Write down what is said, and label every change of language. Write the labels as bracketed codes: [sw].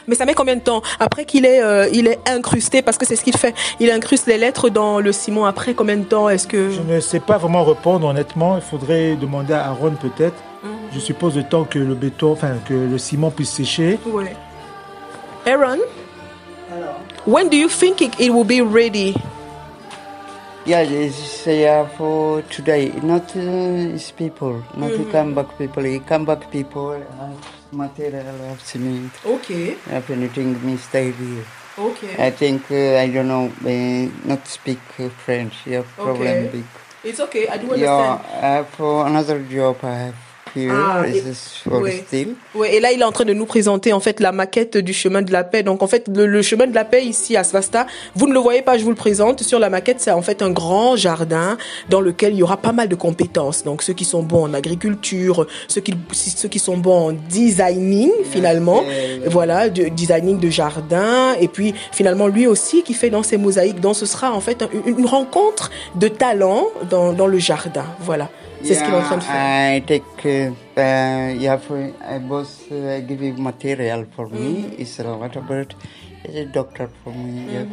[fr] Mais ça met combien de temps après qu'il est il est incrusté, parce que c'est ce qu'il fait. Il incruste les lettres dans le ciment. Après combien de temps est-ce que... Je ne sais pas vraiment répondre honnêtement. Il faudrait demander à Aaron peut-être. Mm-hmm. je suppose, le temps que le béton, enfin, que le ciment puisse sécher. Oui. Aaron? [en] When do you think it will be ready? Yeah, it's for today. Not his people. Not the come back people. He come back people and material of cement. Okay. If anything mistake here. Okay. I think, I don't know, not speak French. You have problem big. It's okay. I do understand. Yeah, for another job I have. [fr] Et là, il est en train de nous présenter en fait la maquette du chemin de la paix. Donc, en fait, le chemin de la paix ici à Svasta, vous ne le voyez pas, je vous le présente. Sur la maquette, c'est en fait un grand jardin dans lequel il y aura pas mal de compétences. Donc, ceux qui sont bons en agriculture, ceux qui sont bons en designing, finalement. Okay. Voilà, de designing de jardin. Et puis, finalement, lui aussi qui fait dans ses mosaïques. Donc, ce sera en fait une rencontre de talents dans le jardin. Voilà. C'est ce qu'il est en train de faire. [en] I take, I boss, I give you material for me. It's a lot about, it's a doctor for me.